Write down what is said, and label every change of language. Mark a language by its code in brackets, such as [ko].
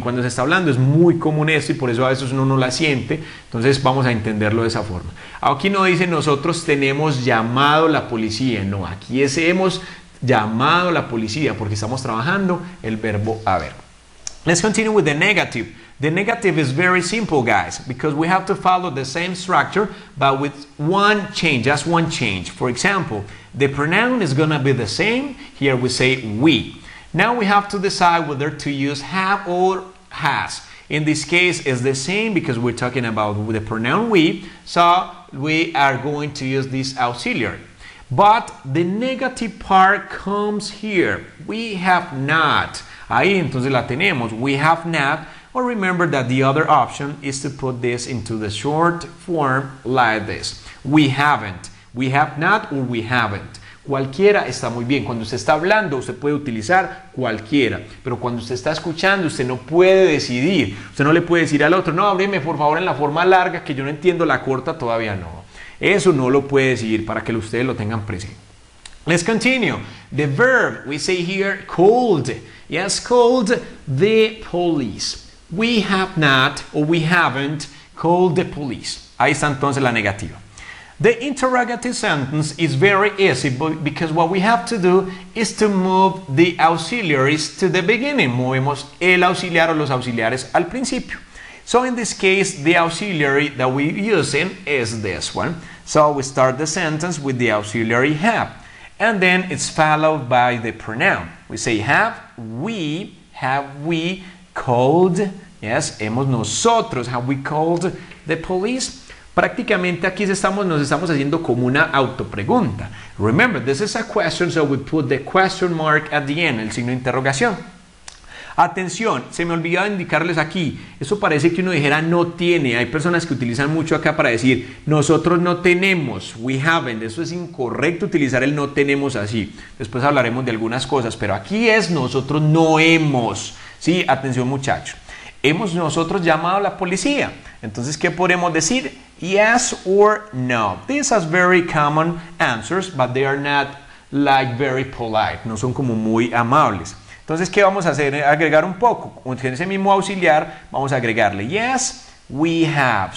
[es] Cuando se está hablando es muy común esto y por eso a veces uno no la siente. Entonces vamos a entenderlo de esa forma. Aquí no dice nosotros tenemos llamado la policía. No, aquí es hemos llamado la policía porque estamos trabajando el verbo haber. [en] Let's continue with the negative. The negative is very simple, guys, because we have to follow the same structure, but with one change, just one change. For example, the pronoun is going to be the same. Here we say we. Now we have to decide whether to use have or has. In this case, it's the same because we're talking about the pronoun we, so we are going to use this auxiliary. But the negative part comes here. We have not. [es] Ahí entonces la tenemos. [en] We have not. Or remember that the other option is to put this into the short form like this. We haven't. We have not or we haven't. [es] Cualquiera está muy bien. Cuando usted está hablando, usted puede utilizar cualquiera. Pero cuando usted está escuchando, usted no puede decidir. Usted no le puede decir al otro, no, ábreme por favor en la forma larga que yo no entiendo la corta todavía no. Eso no lo puede decir para que ustedes lo tengan presente. [en] Let's continue. The verb, we say here, called. Yes, called the police. We have not or we haven't called the police. [es] Ahí está entonces la negativa. [en] The interrogative sentence is very easy because what we have to do is to move the auxiliaries to the beginning. [es] Movemos el auxiliar o los auxiliares al principio. [en] So in this case, the auxiliary that we're using is this one. So we start the sentence with the auxiliary have. And then it's followed by the pronoun. We say have we called, yes, [es] hemos nosotros, [en] have we called the police? [es] Prácticamente aquí nos estamos haciendo como una autopregunta. [en] Remember, this is a question, so we put the question mark at the end, [es] el signo de interrogación. Atención, se me olvidó indicarles aquí, eso parece que uno dijera no tiene. Hay personas que utilizan mucho acá para decir nosotros no tenemos, [en] we haven't. [es] Eso es incorrecto utilizar el no tenemos así. Después hablaremos de algunas cosas, pero aquí es nosotros no hemos. Sí, atención muchachos. hemos nosotros llamado a la policía. Entonces, ¿qué podemos decir? [en] Yes or no. These are very common answers, but they are not like very polite. [es] No son como muy amables. Entonces, ¿qué vamos a hacer? Agregar un poco. Con ese mismo auxiliar, vamos a agregarle [en] yes, we have.